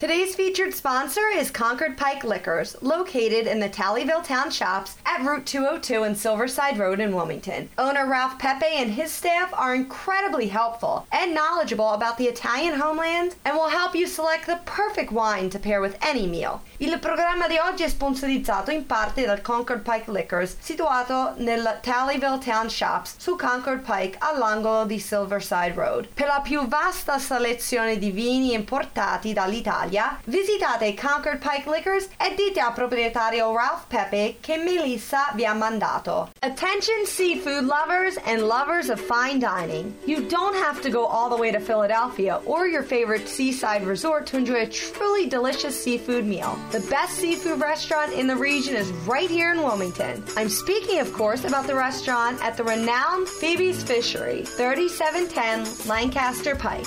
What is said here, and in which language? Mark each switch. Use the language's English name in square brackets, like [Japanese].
[English] Today's featured sponsor is Concord Pike Liquors, located in the Tallyville Town Shops at Route 202 and Silverside Road in Wilmington. Owner Ralph Pepe and his staff are incredibly helpful and knowledgeable about the Italian homeland and will help you select the perfect wine to pair with any meal. [Italian] Il programma di oggi è sponsorizzato in parte dal Concord Pike Liquors, situato nel Tallyville Town Shops su Concord Pike all'angolo di Silverside Road. Per la più vasta selezione di vini importati dall'Italia, visitate Concord Pike Liquors e dite al proprietario Ralph Pepe che Melissa vi ha mandato. [English] Attention seafood lovers and lovers of fine dining. You don't have to go all the way to Philadelphia or your favorite seaside resort to enjoy a truly delicious seafood meal. The best seafood restaurant in the region is right here in Wilmington. I'm speaking, of course, about the restaurant at the renowned Phoebe's Fishery, 3710 Lancaster Pike.